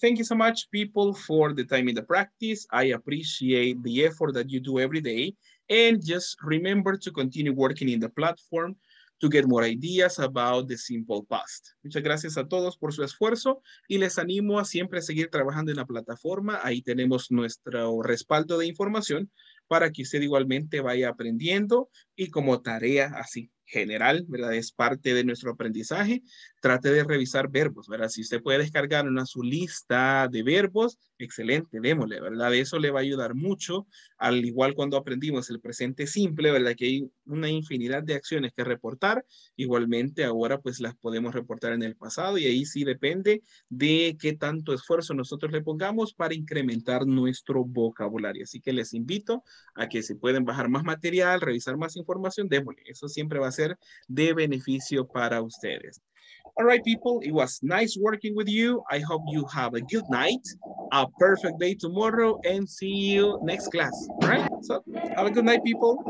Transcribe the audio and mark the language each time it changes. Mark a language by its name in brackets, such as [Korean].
[English] Thank you so much, people, for the time in the practice. I appreciate the effort that you do every day. And just remember to continue working in the platform to get more ideas about the simple past. [Spanish] Muchas gracias a todos por su esfuerzo y les animo a siempre seguir trabajando en la plataforma. Ahí tenemos nuestro respaldo de información para que usted igualmente vaya aprendiendo y como tarea así general, ¿verdad? Es parte de nuestro aprendizaje. Trate de revisar verbos, ¿verdad? Si usted puede descargar una su lista de verbos, excelente, démosle, ¿verdad? Eso le va a ayudar mucho, al igual cuando aprendimos el presente simple, ¿verdad? Que hay una infinidad de acciones que reportar. Igualmente, ahora pues las podemos reportar en el pasado y ahí sí depende de qué tanto esfuerzo nosotros le pongamos para incrementar nuestro vocabulario. Así que les invito a que si pueden bajar más material, revisar más información, démosle. Eso siempre va a ser de beneficio para ustedes. [English] All right, people, it was nice working with you. I hope you have a good night, a perfect day tomorrow, and see you next class. All right, so have a good night, people.